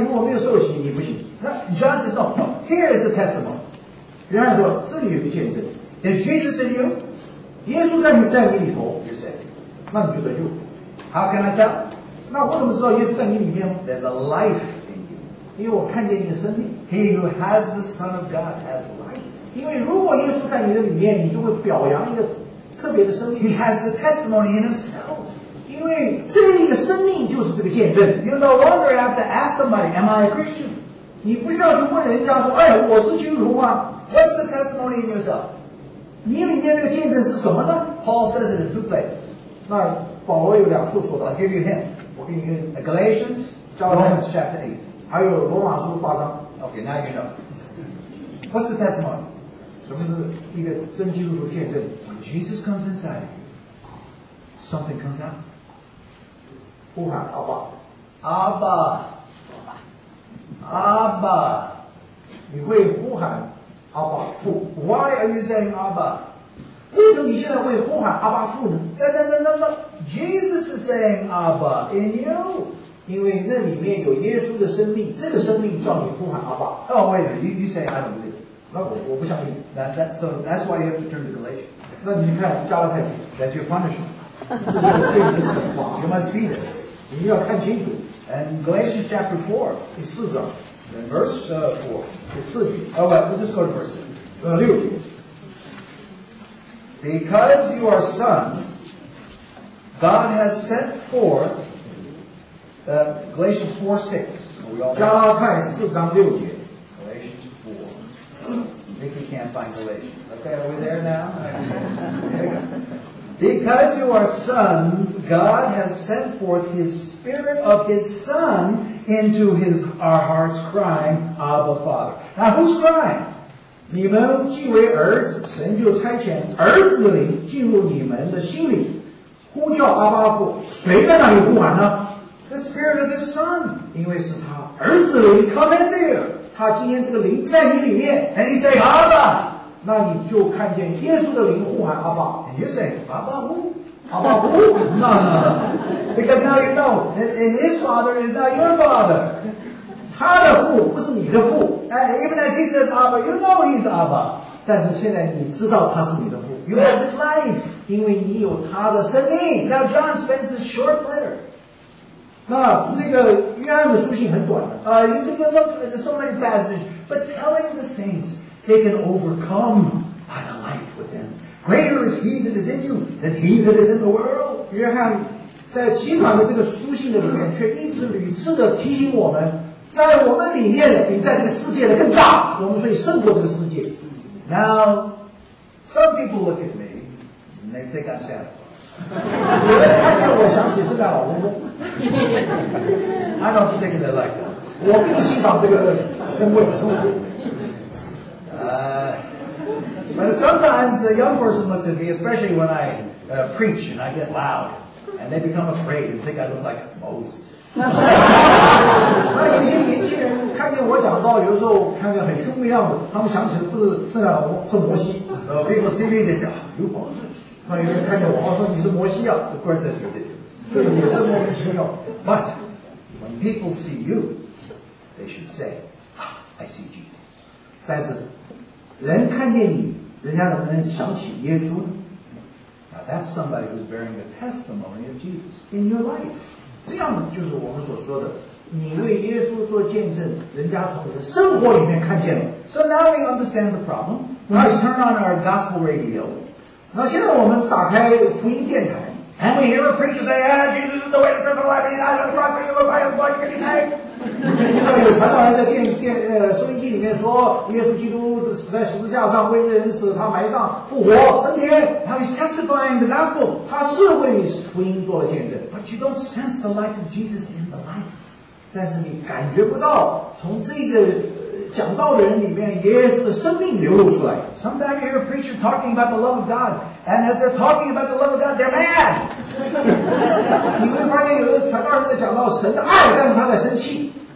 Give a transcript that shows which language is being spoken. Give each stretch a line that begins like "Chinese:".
Chinese: 那你如果没有受洗，你不行。
English: 那 John says, no, no, here is the testimony.
Chinese: 原来说，这里有个见证。
English: Is Jesus in you?
Chinese: 耶稣在你在你里头。
English: You say.
Chinese: 那你就得救。
English: How can I tell?
Chinese: 那我怎么知道耶稣在你里面吗？
English: There's a life in you.
Chinese: 因为我看见你的生命。
English: He who has the Son of God has life.
Chinese: 因为如果耶稣在你的里面，你就会表扬一个特别的生命。
English: He has the testimony in himself.
Chinese: 因为这里的生命就是这个见证。
English: You no longer have to ask somebody, am I a Christian?
Chinese: 你不需要去问人家说，哎，我是基督徒吗？
English: What's the testimony in yourself?
Chinese: 你里面那个见证是什么呢？
English: Paul says it in two places.
Chinese: 那保罗有两处说的。
English: I'll give you a hint.
Chinese: 我给你一个
English: Galatians, Romans chapter 8.
Chinese: 还有罗马书八章。
English: Okay, now you know. What's the testimony?
Chinese: 什么是一个真基督徒见证？ Jesus comes inside, something comes out. 呼喊阿爸，阿爸，阿爸，你会呼喊阿爸父。
English: Why are you saying 阿爸？
Chinese: 为什么你现在会呼喊阿爸父呢？
English: 那 Jesus is saying 阿爸 in you.
Chinese: 因为那里面有耶稣的生命，这个生命叫你呼喊阿爸。
English: Oh wait, you say I don't believe.
Chinese: 那我不相信。
English: So that's why you have to turn to Galatians.
Chinese: 那你看加拉太书
English: That's your punishment.
Chinese: 这就是对你的惩罚。
English: You must see this.
Chinese: 你要看清楚。
English: And Galatians chapter 4,
Chinese: 第四章。
English: Then verse 4,
Chinese: 第四节。
English: Oh, well, we'll just go to verse 6.
Chinese: 六节。
English: Because you are sons, God has sent forth, Galatians 4, 6.
Chinese: 加拉太四章六节。
English: Galatians 4. Nicky can't find Galatians. Okay, are we there now? Because you are sons, God has sent forth His Spirit of His Son into our hearts, crying, Abba, Father. Now, who's crying?
Chinese: 你们既为儿子，神就差遣儿子的灵进入你们的心里，呼叫阿爸父。谁在那里呼喊呢？
English: The Spirit of His Son.
Chinese: 因为是他儿子的灵
English: come into you.
Chinese: 他今天这个灵在你里面
English: ，and He say, Abba.
Chinese: 那你就看见耶稣的灵呼喊阿爸。
English: And you say, 阿爸呼。
Chinese: 阿爸呼。
English: No. Because now you know, his father is not your father.
Chinese: 他的父不是你的父。
English: And even as he says, 阿爸, you know he's 阿爸。
Chinese: 但是现在你知道他是你的父。
English: You have his life.
Chinese: 因为你有他的生命。
English: Now John spends this short letter.
Chinese: 那这个约翰的书信很短的。
English: You can look at so many passages, but telling the saints,They can overcome by the life within. Greater is he that is in you than he that is in the world.
Chinese: 约翰在其他的这个书信的里面却一直屡次的提醒我们，在我们里面比在这个世界的更大，我们所以胜过这个世界。
English: Now, some people look at me and they think I'm Santa Claus.
Chinese: 看见我想起圣诞老公公。
English: I don't think they like that.
Chinese: 我不欣赏这个称谓，称呼。
English: But sometimes a young person looks at me, especially when I preach and I get loud, and they become afraid and think I look like Moses.
Chinese: 那有些年轻人看见我讲道，有时候看见很凶的样子，他们想起的不是圣诞老公，是摩西。
English: People see me, they say, "You Moses."
Chinese: 那有人看见我，说你是摩西啊。
English: Of course, that's ridiculous.
Chinese: 这也是莫名其妙。
English: But when people see you, they should say, "I see Jesus."
Chinese: 但是人看见你，人家能不能想起耶稣呢？
English: Now that's somebody who's bearing the testimony of Jesus in your life.
Chinese: 这样就是我们所说的，你为耶稣做见证，人家从你的生活里面看见了。
English: So now we understand the problem. Let's turn on our gospel radio.
Chinese: 那现在我们打开福音电台。
English: And we hear a preacher say, ah, Jesus is the way to the life, and he died on the cross for you, and by his blood you can be saved.
Chinese: 你看有传道人在收音机里面说，耶稣基督死在十字架上为人死，他埋葬复活升天。
English: Now he's testifying the gospel.
Chinese: 他是为福音做了见证。
English: But you don't sense the life of Jesus in the life.
Chinese: 但是你感觉不到从这个讲道人里面耶稣的生命流露出来。
English: Sometimes you hear a preacher talking about the love of God, and as they're talking about the love of God, they're mad.
Chinese: 你会发现有的传道人在讲到神的爱，但是他在生气。